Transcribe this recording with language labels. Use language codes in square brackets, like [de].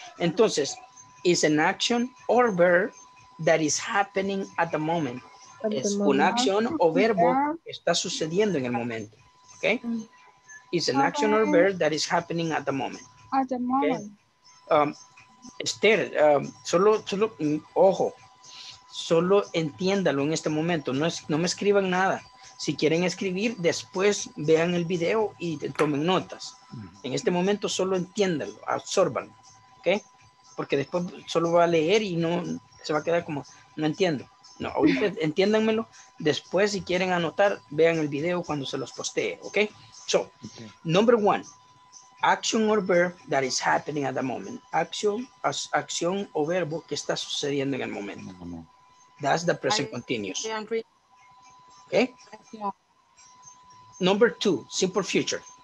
[es] Entonces, [en] is an action or verb that is happening at the moment. [es] Es una acción o verbo que está sucediendo en el momento. ¿Ok? [en] Is an action or verb that is happening at the moment. At the moment. [es] Okay. Esther, solo, ojo, solo entiéndalo en este momento. No me escriban nada. Si quieren escribir, después vean el video y tomen notas. En este momento solo entiéndalo, absórbanlo. ¿Ok? Porque después solo va a leer y no se va a quedar como, no entiendo. No, ahorita entiéndanmelo. Después, si quieren anotar, vean el video cuando se los postee. ¿Ok? So, okay. [en] Number one, action or verb that is happening at the moment. [es] Acción o verbo que está sucediendo en el momento. [en] That's the present continuous. Okay? Number two, simple future.